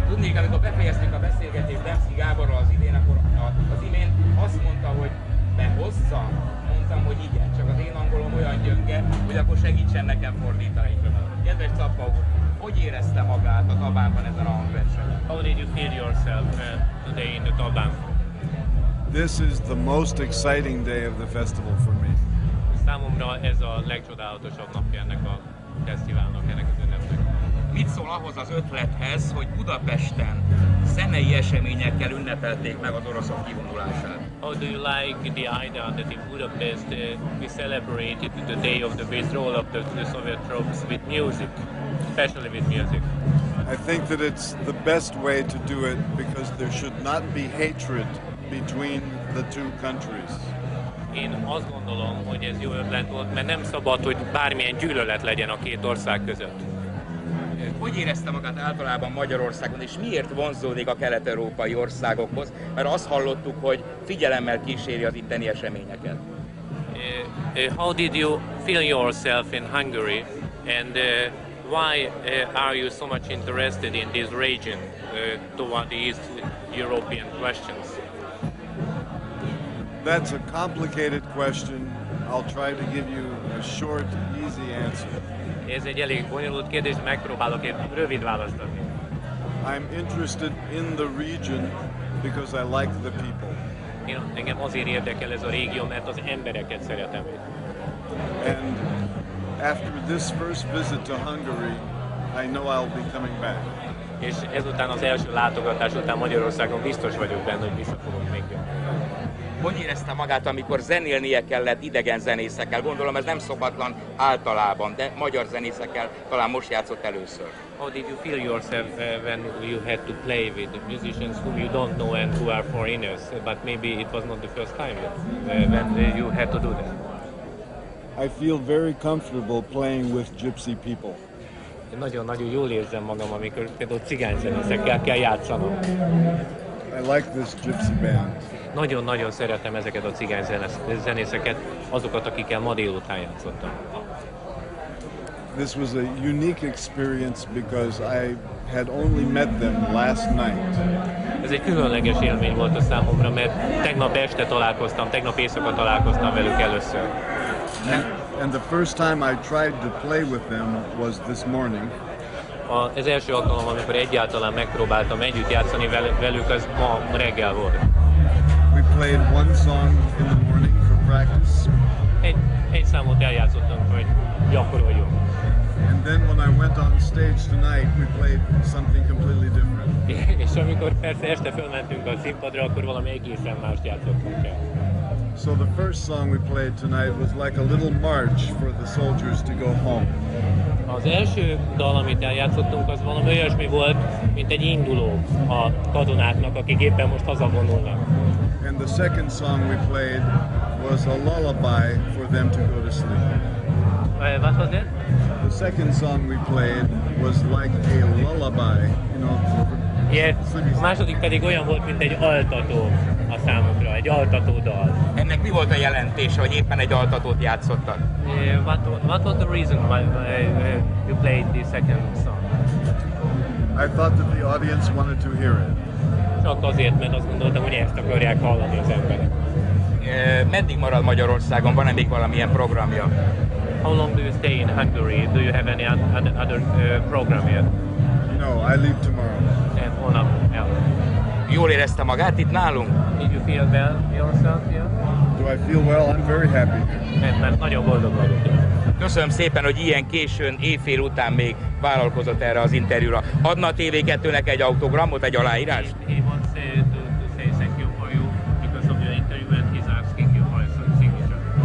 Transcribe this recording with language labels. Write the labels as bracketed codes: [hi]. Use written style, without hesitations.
[hu] Tudnék, amikor befejeztük a beszélgetést Demszki Gáborral az idén, akkor az imént azt mondta, hogy behozza. Mondtam, hogy igen, csak az én angolom olyan gyönge, hogy akkor segítsen nekem fordítani. Kedves Cappa úr, hogy érezte magát a Dabánban ezen a hangversenyen? [en] How did you feel yourself today in the Dabán? This is the most exciting day of the festival for me. [hu] Számomra ez a legcsodálatosabb napja ennek a fesztiválnak, ennek az ünnepnek. Mit szól ahhoz az ötlethez, hogy Budapesten zenei eseményekkel ünnepelték meg az oroszok kivonulását? [en] How do you like the idea that in Budapest we celebrate the day of the withdrawal of the Soviet troops with music, especially with music? I think that it's the best way to do it because there should not be hatred between the two countries. [hu] Én azt gondolom, hogy ez jó ötlet volt, mert nem szabad, hogy bármilyen gyűlölet legyen a két ország között. Hogy érezte magát általában Magyarországon, és miért vonzódik a kelet-európai országokhoz? Mert azt hallottuk, hogy figyelemmel kíséri az itteni eseményeket. [en] How did you feel yourself in Hungary? And why are you so much interested in this region toward the East European questions? That's a complicated question. I'll try to give you a short, easy answer. [hu] Ez egy elég bonyolult kérdés, megpróbálok egy rövid választ adni. [en] I'm interested in the region because I like the people. [hu] Engem azért érdekel ez a régió, mert az embereket szeretem. [en] And after this first visit to Hungary, I know I'll be coming back. [hu] És ezután az első látogatás után Magyarországon biztos vagyok benne, hogy vissza fogok még jönni. Hogy érezte magát, amikor zenélnie kellett idegen zenészekkel? Gondolom, ez nem szokatlan általában, de magyar zenészekkel talán most játszott először. [en] How did you feel yourself when you had to play with musicians whom you don't know and who are foreigners? But maybe it was not the first time when you had to do that. I feel very comfortable playing with gypsy people. [hu] Én nagyon-nagyon jól érzem magam, amikor például cigány zenészekkel kell játszanom. [en] I like this gypsy band. [hu] Nagyon-nagyon szeretem ezeket a cigány zenészeket, azokat, akikkel ma délután játszottam. [en] This was a unique experience because I had only met them last night. [hu] Ez egy különleges élmény volt a számomra, mert tegnap este találkoztam, tegnap éjszaka találkoztam velük először. [en] And the first time I tried to play with them was this morning. [hu] Az első alkalom, amikor egyáltalán megpróbáltam együtt játszani velük, az ma reggel volt. [en] We played one song in the morning for practice. [hu] Egy számot eljátszottunk, hogy gyakoroljunk. [en] And then when I went on stage tonight, we played something completely different. [hu] És amikor persze este fölmentünk a színpadra, akkor valami egészen mást játszottunk el. [en] So the first song we played tonight was like a little march for the soldiers to go home. [hu] Az első dal, amit eljátszottunk, az valami olyasmi volt, mint egy induló a katonáknak, akik éppen most hazavonulnak. [en] And the second song we played was a lullaby for them to go to sleep. What was it? The second song we played was like a lullaby, you know. [hu] A második pedig olyan volt, mint egy altató a számukra, egy altató dal. Ennek mi volt a jelentése, hogy éppen egy altatót játszottak? [en] What was the reason why you played the second song? I thought that the audience wanted to hear it. [hu] Csak azért, mert azt gondoltam, hogy ezt akarják hallani az emberek. Meddig marad Magyarországon? Van-e még valamilyen programja? [en] How long do you stay in Hungary? Do you have any other program yet? No, I leave tomorrow. And on up, yeah. [hu] Jól érezte magát itt nálunk? [en] Did you feel well yourself here? Yeah? Do I feel well? I'm very happy. [hu] Mert nagyon boldog vagyok. Köszönöm szépen, hogy ilyen későn, éjfél után még vállalkozott erre az interjúra. Adna a TV2-nek egy autogramot, egy aláírást? [en] He wants to say thank you for you because of your interview and he's asking you for a signature.